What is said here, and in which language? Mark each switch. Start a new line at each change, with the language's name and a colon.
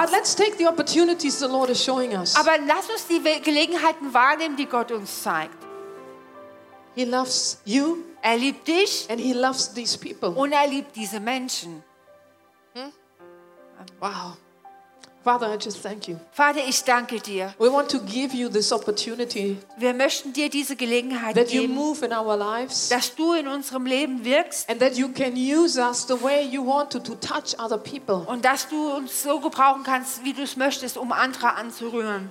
English: But let's take the opportunities the Lord is showing us.
German: Aber lass uns die Gelegenheiten wahrnehmen, die Gott uns zeigt.
English: He loves you.
German: Er liebt dich.
English: And he loves these people.
German: Und er liebt diese Menschen.
English: Wow. Father, I just thank you.
German: Vater, ich danke dir.
English: We want to give you this opportunity.
German: Wir möchten dir diese Gelegenheit
English: that
German: geben.
English: You move in our lives.
German: Dass du in unserem Leben wirkst.
English: And that you can use us the way you want to touch other people.
German: Und dass du uns so gebrauchen kannst, wie du es möchtest, um andere anzurühren.